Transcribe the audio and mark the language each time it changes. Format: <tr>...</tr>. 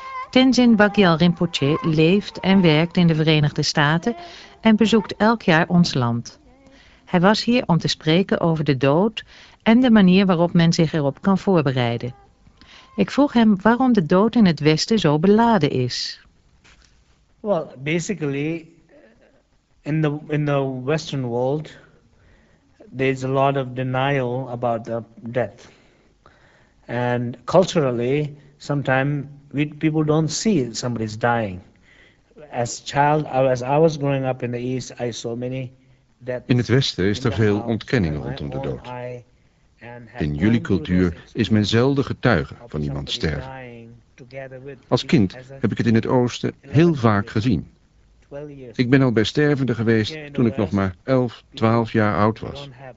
<nl>Tenzin Wagyal Rinpoche leeft en werkt in de Verenigde Staten en bezoekt elk jaar ons land. Hij was hier om te spreken over de dood en de manier waarop men zich erop kan voorbereiden. Ik vroeg hem waarom de dood in het Westen zo beladen is.</nl> <en>Well, basically, in the Western world, there's a lot of denial about the death. And culturally, sometimes people don't see somebody's dying. As I was growing up in the East, I saw many deaths.</en> <nl>In het Westen is er veel ontkenning rondom de dood. In jullie cultuur is men zelden getuige van iemand sterven. Als kind heb ik het in het Oosten heel vaak gezien. Ik ben al bij stervende geweest toen ik nog maar 11, 12 jaar oud was.</nl>